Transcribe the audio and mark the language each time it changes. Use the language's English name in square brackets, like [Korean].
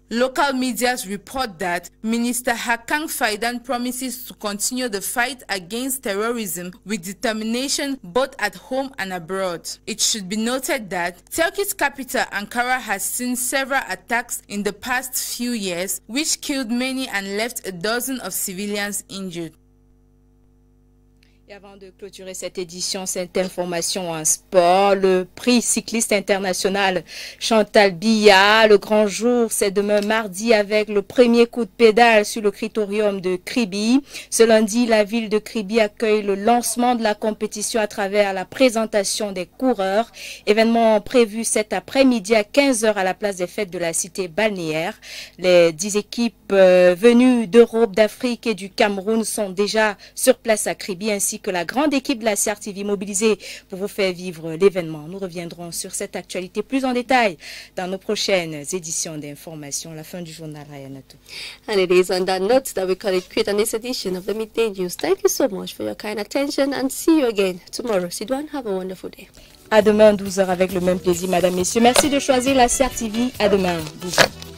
[English] Local media report that Minister Hakan Fidan promises to continue the fight against terrorism with determination both at home and abroad. It should be noted that Turkey's capital Ankara has seen several attacks in the past few years, which killed many and left a dozen of civilians injured. [French] Et avant de clôturer cette édition, cette information en sport, le prix cycliste international Chantal Biya, le grand jour, c'est demain mardi avec le premier coup de pédale sur le critérium de Kribi. Ce lundi, la ville de Kribi accueille le lancement de la compétition à travers la présentation des coureurs. Événement prévu cet après-midi à 15h à la place des fêtes de la cité balnéaire. Les 10 équipes venues d'Europe, d'Afrique et du Cameroun sont déjà sur place à Kribi, ainsi que la grande équipe de la CRTV mobilisée pour vous faire vivre l'événement. Nous reviendrons sur cette actualité plus en détail dans nos prochaines éditions d'information. La fin du journal, Ayanatou. [English] And it is on that note that we call it quit on this edition of the Midday News. Thank you so much for your kind attention and see you again tomorrow. Sidouane, have a wonderful day. [French] À demain, 12h avec le même plaisir, madame, messieurs. Merci de choisir la CRTV. À demain, 12h.